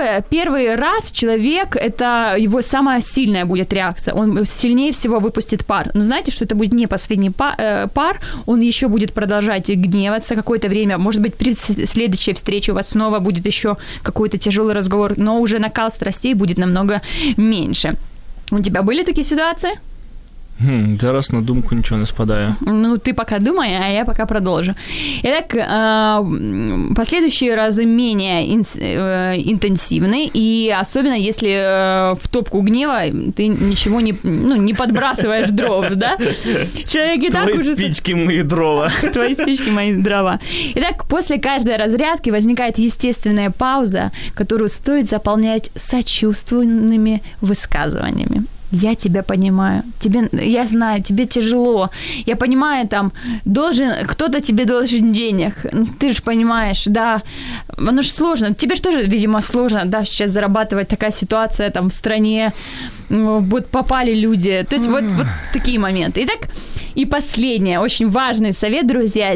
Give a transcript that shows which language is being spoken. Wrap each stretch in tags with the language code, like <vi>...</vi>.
<ru>Первый раз человек, это его самая сильная будет реакция, он сильнее всего выпустит пар. Но знаете, что это будет не последний пар, он еще будет продолжать гневаться какое-то время, может быть, при следующей встрече у вас снова будет еще какой-то тяжелый разговор, но уже накал страстей будет намного меньше. У тебя были такие ситуации?</ru> <uk>Зараз на думку нічого не спадає. Ну, ти поки думай, а я поки продовжу. І так, последующі рази менее інтенсивні, і особливо, якщо в топку гніва ти нічого не підбрасуєш дров, да? Чоловік і так уже... Твої спички, мої дрова. Твої спички, мої дрова. І так, після кожної розрядки виникає естественна пауза, яку стоит заполнять сочувственними висказуваннями.</uk> <ru>Я тебя понимаю. Я знаю, тебе тяжело. Я понимаю, там, кто-то тебе должен денег. Ты же понимаешь, да. Оно же сложно. Тебе же тоже, видимо, сложно, да, сейчас зарабатывать. Такая ситуация там в стране. Вот попали люди. То есть вот такие моменты. Итак, и последнее, очень важный совет, друзья.</ru>